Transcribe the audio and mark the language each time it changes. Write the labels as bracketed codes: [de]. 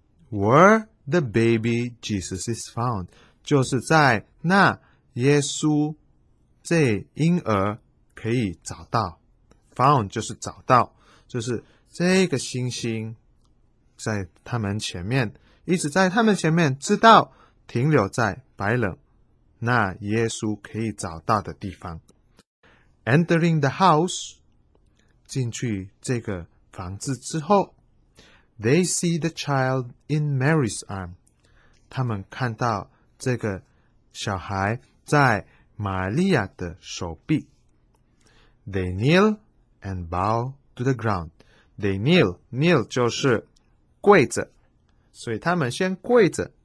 [en] Where the baby Jesus is found， [zh] 就是在那耶稣这婴儿可以找到。 Found 就是找到，就是这个星星在他们前面，一直在他们前面，直到停留在白冷，那耶稣可以找到的地方。 [en] Entering the house， [zh] 进去这个房子之后， [en] They see the child in Mary's arm. [zh] 他们看到这个小孩在玛利亚的手臂。 [en] They kneel and bow to the ground. They kneel. [zh] Kneel 就是跪着。所以他们先跪着。